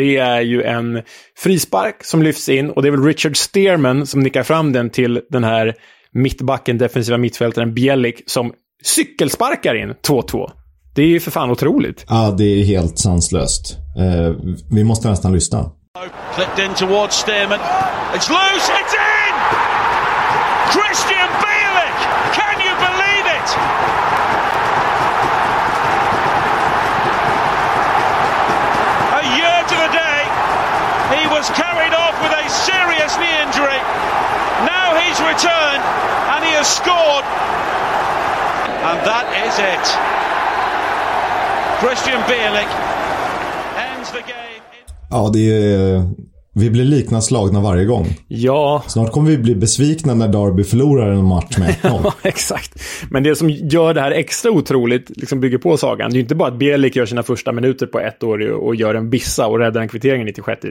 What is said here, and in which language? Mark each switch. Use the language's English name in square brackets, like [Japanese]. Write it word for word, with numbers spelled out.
[Swedish] Det är ju en frispark som lyfts in, och det är väl Richard Stearman som nickar fram den till den här mittbacken, defensiva mittfältaren Bjellic, som cykelsparkar in två två. Det är ju för fan otroligt. Ja, det är helt sanslöst. Eh, vi måste nästan lyssna. [English] Clipped in towards Stearman. It's loose, it's in! Christian Bjellic! Can you believe it? A year to the day, he was carried off with a serious knee injury. Now he's returned and he has scored. And that is it. Christian Bjellic ends the game. [Swedish] Ja, det är, vi blir liknande slagna varje gång. Ja. Snart kommer vi bli besvikna när Derby förlorar en match med ett noll. Ja, exakt. Men det som gör det här extra otroligt, liksom bygger på sagan, det är ju inte bara att Bjellic gör sina första minuter på ett år och gör en bissa och räddar en kvittering i nittiosjätte.